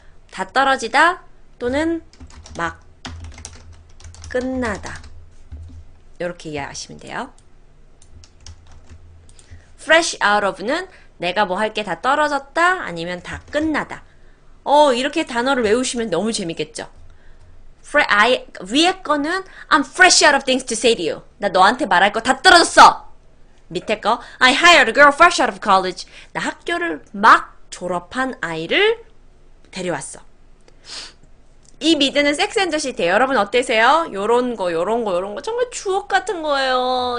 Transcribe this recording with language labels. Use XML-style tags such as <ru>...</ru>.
<ko>다 떨어지다 또는 막 끝나다. 이렇게 이해하시면 돼요. Fresh out of는 내가 뭐할게다 떨어졌다, 아니면 다 끝나다. 이렇게 단어를 외우시면 너무 재밌겠죠? 위에 거는</ko> <en>I'm fresh out of things to say to you.</en> <ko>나 너한테 말할 거다 떨어졌어. 밑에 거,</ko> <en>I hired a girl fresh out of college.</en> <ko>나 학교를 막 졸업한 아이를 데려왔어. 이 미드는 섹스앤더시티. 여러분 어떠세요? 요런 거. 정말 추억 같은 거예요.</ko>